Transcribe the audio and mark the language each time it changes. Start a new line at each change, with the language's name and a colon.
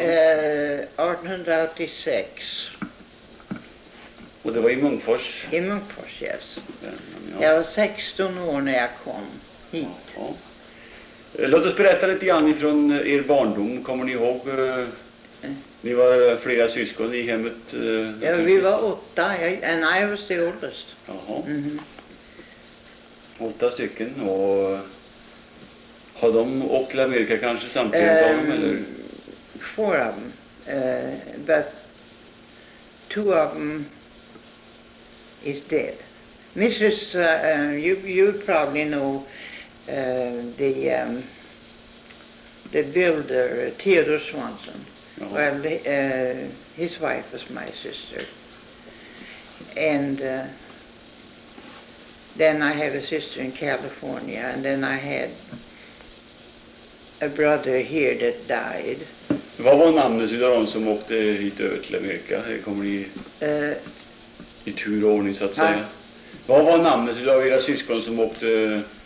Swedish: 1886. Och det var i Mångfors? I Mångfors, yes. Ja. Jag var 16 år när jag kom hit. Ja. Låt oss berätta lite grann ifrån er barndom. Kommer ni ihåg? Ni var flera syskon i hemmet. Ja, vi var 8,
English: and I was the oldest.
Swedish: Jaha. Mm-hmm. 8 stycken, och har de åkt till Amerika kanske samtidigt av dem, eller? 4 av dem,
English: but
Swedish: 2 av dem
English: is dead. Mrs., you probably know the builder, Theodore Swanson. Uh-huh. Well, his wife was my sister. And then I have a sister in California, and then I had a brother here that died.
Swedish: Vad var namnet utav dem som åkte hit över till Amerika? Kommer ni i tur och ordning, så att säga? Vad var namnet utav era syskon som åkte?